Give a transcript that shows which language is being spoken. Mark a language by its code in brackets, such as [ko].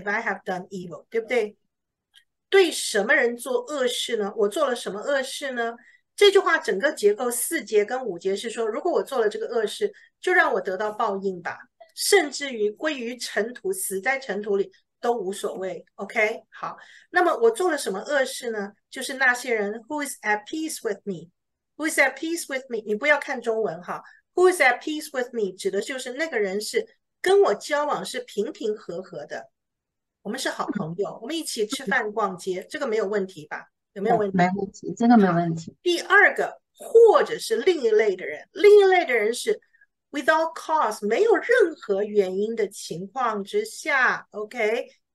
[en] If I have done evil， [zh] 对不对？对什么人做恶事呢？我做了什么恶事呢？这句话整个结构四节跟五节是说，如果我做了这个恶事，就让我得到报应吧，甚至于归于尘土，死在尘土里。都无所谓，OK，好。那么我做了什么恶事呢？ [en] 就是那些人，Who is at peace with me？Who is at peace with me？ [zh] 你不要看中文哈， [en] Who is at peace with me？ [zh] 指的就是那个人是跟我交往是平平和和的，我们是好朋友，我们一起吃饭逛街，这个没有问题吧？有没有问没题？问题，这个没好，问题。第二个，或者是另一类的人，另一类的人是。 [en] Without cause， [zh] 没有任何原因的情况之下，OK，